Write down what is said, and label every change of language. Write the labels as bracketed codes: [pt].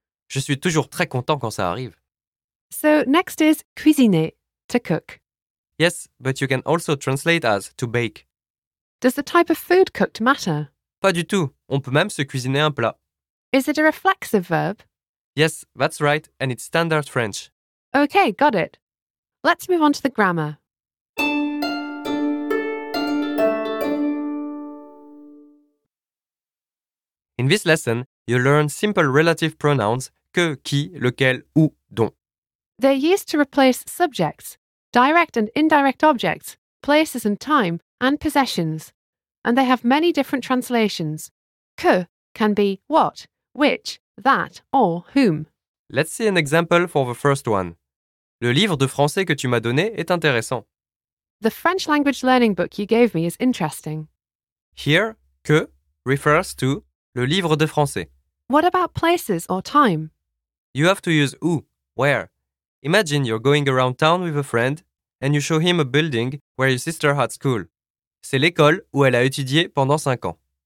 [fr] Je suis toujours très content quand ça arrive. [en] So next is cuisiner, to cook. Yes, but you can also translate as to bake. Does the type of food cooked matter? [fr] Pas du tout, on peut même se cuisiner un plat. [en] Is it a reflexive verb? Yes, that's right, and it's standard French. Okay, got it. Let's move on to the grammar. In this lesson, you learn simple relative pronouns que, qui, lequel, où, dont. They're used to replace subjects, direct and indirect objects, places and time, and possessions. And they have many different translations. Que can be what, which, that, or whom. Let's see an example for the first one. [fr] Le livre de français que tu m'as donné est intéressant. [en] The French language learning book you gave me is interesting. Here, que refers to [fr] le livre de français. [en] What about places or time? You have to use où, where. Imagine you're going around town with a friend and you show him a building where your sister had school. [fr] C'est l'école où elle a étudié pendant 5 ans.